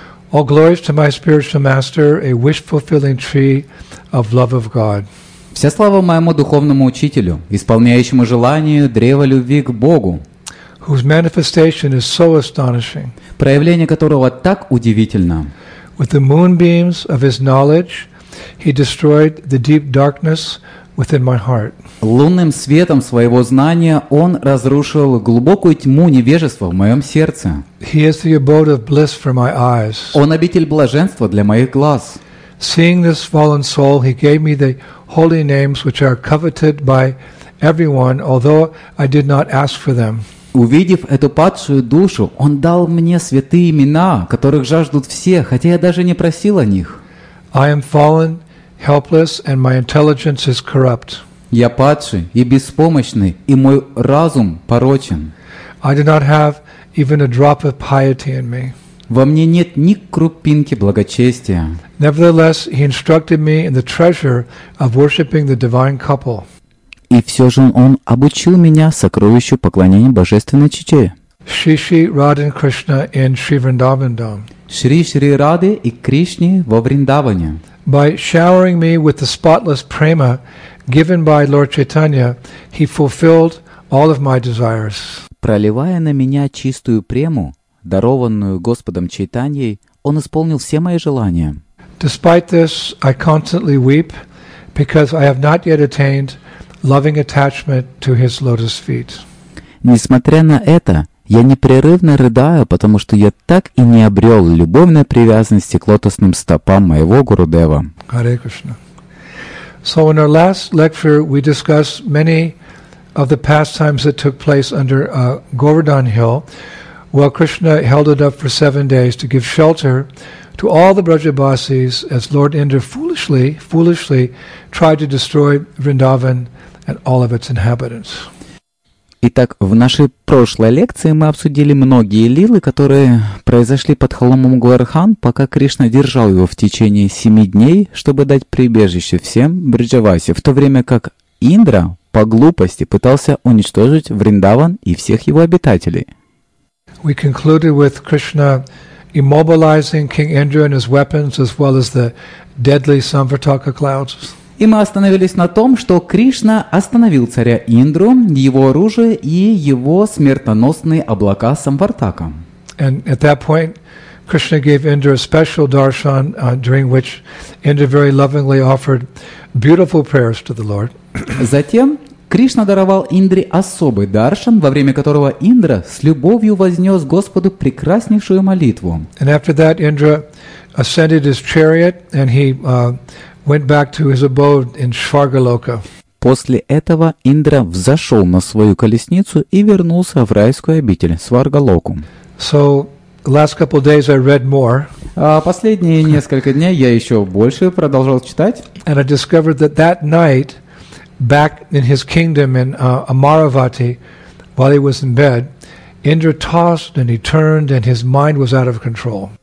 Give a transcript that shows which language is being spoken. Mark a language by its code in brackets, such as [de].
[en] All glories to my spiritual master, a wish-fulfilling tree of love of God. [ru] Вся слава моему духовному учителю, исполняющему желание древа любви к Богу. [en] Whose manifestation is so astonishing. [ru] Проявление которого так удивительно. [en] With the moonbeams of his knowledge, he destroyed the deep darkness within my heart. [ru] Лунным светом своего знания он разрушил глубокую тьму невежества в моем сердце. [en] He is the abode of bliss for my eyes. [ru] Он обитель блаженства для моих глаз. [en] Seeing this fallen soul, he gave me the holy names which are coveted by everyone, although I did not ask for them. [ru] Увидев эту падшую душу, он дал мне святые имена, которых жаждут все, хотя я даже не просил о них. [en] I am fallen, helpless, and my intelligence is corrupt. [ru] Я падший и беспомощный, и мой разум порочен. [en] I do not have even a drop of piety in me. [ru] Во мне нет ни крупинки благочестия. [en] Nevertheless, he instructed me in the treasure of worshiping the divine couple. [ru] И все же он обучил меня сокровищу поклонения божественной чете. [en] Shri Shri Radha and Krishna in Sri Vrindavan Dham. [ru] Шри Шри Рады и Кришне во Вриндаване. [en] By showering me with the spotless prema given by Lord Chaitanya, he fulfilled all of my desires. [ru] Проливая на меня чистую прему, дарованную Господом Чайтаньей, он исполнил все мои желания. [en] Despite this, I constantly weep because I have not yet attained loving attachment to his lotus feet. [ru] Несмотря на это, я непрерывно рыдаю, потому что я так и не обрел любовной привязанности к лотосным стопам моего Гурудева. [en] Hare Krishna. So in our last lecture we discussed many of the pastimes that took place under Govardhan Hill while Krishna held it up for 7 days to give shelter to all the Brajabasis as Lord Indra foolishly tried to destroy Vrindavan and all of its inhabitants. [ru] Итак, в нашей прошлой лекции мы обсудили многие лилы, которые произошли под холмом Говардхан, пока Кришна держал его в течение 7 дней, чтобы дать прибежище всем Бриджаваси, в то время как Индра по глупости пытался уничтожить Вриндаван и всех его обитателей. [en] We concluded with Krishna immobilizing King Indra and his weapons, as well as the deadly Samvartaka clouds. [ru] И мы остановились на том, что Кришна остановил царя Индру, его оружие и его смертоносные облака Самвартака. [en] And at that point, Krishna gave Indra a special darshan, during which Indra very lovingly offered beautiful prayers to the Lord. [ru] Затем Кришна даровал Индре особый даршан, во время которого Индра с любовью вознес Господу прекраснейшую молитву. [en] And after that, Indra ascended his chariot, and he went back to his abode in Svargaloka. [ru] После этого Индра взошел на свою колесницу и вернулся в райскую обитель Сваргалоку. [en] So last couple days I read more. [ru] Последние несколько дней я еще больше продолжал читать. [en] And I discovered that that night, back in his kingdom in Amaravati, while he was in bed, Indra tossed and he turned and his mind was out of control.